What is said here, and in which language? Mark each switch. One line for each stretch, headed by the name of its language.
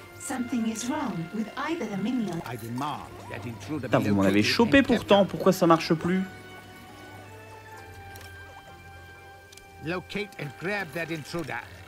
English: Something is wrong with either the minion. I demand that intruder.
French: Putain, vous m'en avez chopé pourtant, pourquoi ça marche plus?
English: Locate and grab that intruder.